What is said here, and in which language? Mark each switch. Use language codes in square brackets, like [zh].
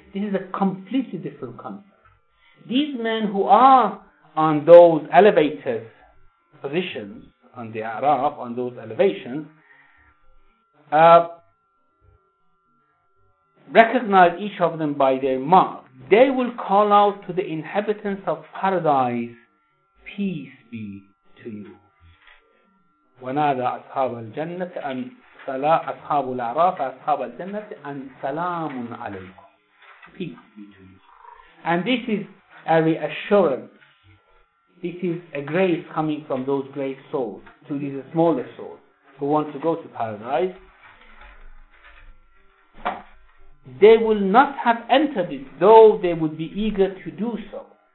[en] This is a completely different concept. These men who are on those elevated positions, on the Araf, on those elevations, recognize each of them by their mark. They will call out to the inhabitants of paradise, peace be to you. [ar] وَنَادَ أَصْحَابُ الْجَنَّةِ أَنْ سَلَامٌ أَصْحَابُ الْعَرَافَ أَصْحَابَ الْجَنَّةِ أَنْ سَلَامٌ عَلَيْكُمْ, [en] peace be to you. And this is a reassurance. This is a grace coming from those great souls to these smaller souls who want to go to paradise. They will not have entered it, though they would be eager to do so.